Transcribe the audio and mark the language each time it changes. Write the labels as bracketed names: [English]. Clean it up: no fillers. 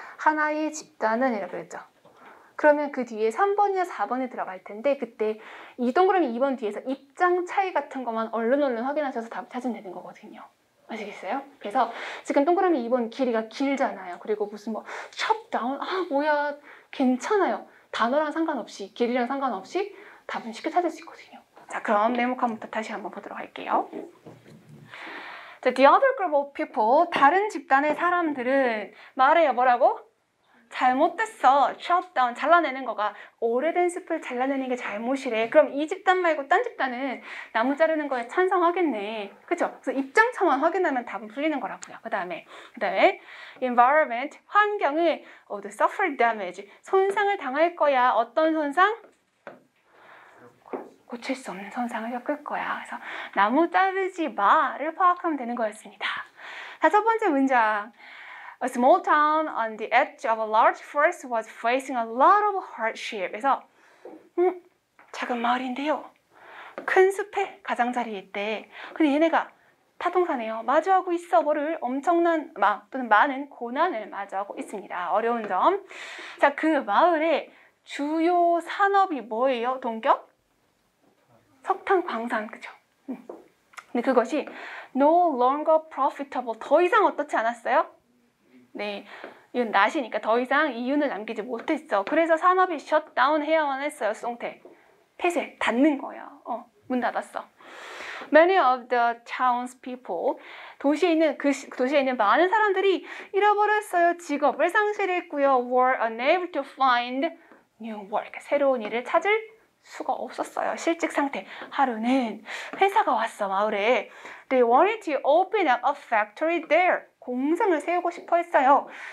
[Korean] 하나의 집단은 이라고 그랬죠. 그러면 그 뒤에 3번이나 4번에 들어갈 텐데 그때 이 동그라미 2번 뒤에서 입장 차이 같은 것만 얼른 확인하셔서 답 찾아내는 거거든요. 아시겠어요? 그래서 지금 동그라미 2번 길이가 길잖아요. 그리고 무슨 뭐 [English] shut down? [Korean] 아, 뭐야. 괜찮아요. 단어랑 상관없이, 길이랑 상관없이 답은 쉽게 찾을 수 있거든요. 자, 그럼 네모칸부터 다시 한번 보도록 할게요. [English] The other group of people, [Korean] 다른 집단의 사람들은 말해요. 뭐라고? 잘못됐어. [English] Shut down. [Korean] 잘라내는 거가 오래된 숲을 잘라내는 게 잘못이래. 그럼 이 집단 말고 딴 집단은 나무 자르는 거에 찬성하겠네. 그렇죠? 그래서 입장차만 확인하면 답은 풀리는 거라고요. 그 다음에 environment, 환경을 [English] the suffer damage, [Korean] 손상을 당할 거야. 어떤 손상? 고칠 수 없는 손상을 겪을 거야. 그래서 나무 자르지 마를 파악하면 되는 거였습니다. 다섯 번째 문장. [English] A small town on the edge of a large forest was facing a lot of hardship. [Korean] 그래서 작은 마을인데요. 큰 숲에 가장자리에 있대. 근데 얘네가 타동사네요. 마주하고 있어. 뭐를 엄청난 또는 많은 고난을 마주하고 있습니다. 어려운 점. 자, 그 마을의 주요 산업이 뭐예요? 동격? 석탄 광산, 그죠? 근데 그것이 [English] no longer profitable. [Korean] 더 이상 어떻지 않았어요? 네, 이건 낮이니까 더 이상 이윤을 남기지 못했어. 그래서 산업이 셧다운 해야만 했어요. 송태. 폐쇄, 닫는 거예요. 문 닫았어. [English] Many of the town's people. [Korean] 도시에 있는, 많은 사람들이 잃어버렸어요. 직업을 상실했고요. [English] Were unable to find new work. [Korean] 새로운 일을 찾을 수가 없었어요. 실직 상태. 하루는 회사가 왔어. 마을에. [English] They wanted to open up a factory there. [Korean] 공장을 세우고 싶어 했어요.